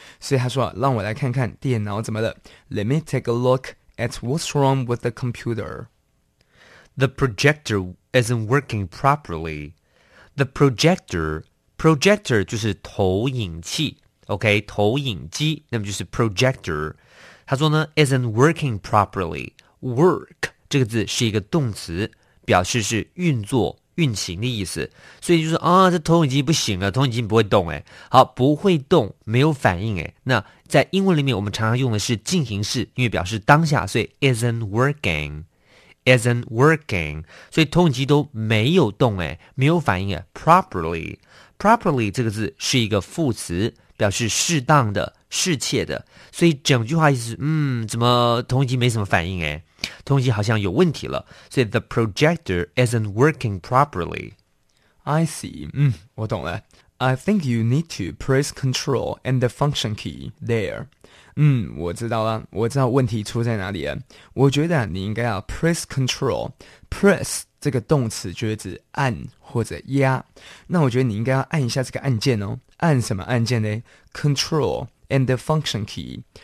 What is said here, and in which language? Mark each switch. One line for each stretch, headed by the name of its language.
Chinese: 所以他说让我来看看电脑怎么了。
English: Let me take a lookAt what's wrong with the computer? The projector isn't working properly. The projector
Chinese: 就是投影器
English: ，OK，
Chinese: 投影机，那么就是
English: projector。
Chinese: 他说呢
English: ，isn't working properly.
Chinese: Work 这个字是一个动词，表示是运作、运行的意思。所以就是啊，这投影机不行了，投影机不会动哎，好，不会动，没有反应哎，那。在英文里面我们常常用的是进行式因为表示当下所以
English: isn't working
Chinese: 所以投影机都没有动诶没有反应诶 properly 这个字是一个副词表示适当的适切的所以整句话意思怎么投影机没什么反应诶投影机好像有问题了所以
English: the projector isn't working properly I see
Chinese: 我懂了
English: I think you need to press Control and the Function key there.
Chinese: 嗯，我知道了，我知道问题出在哪里了。我觉得你应该要
English: press control。
Chinese: press 这个动词就是指按或者压，那我觉得你应该要按一下这个按键哦。按什么按键呢？
English: control and the function key。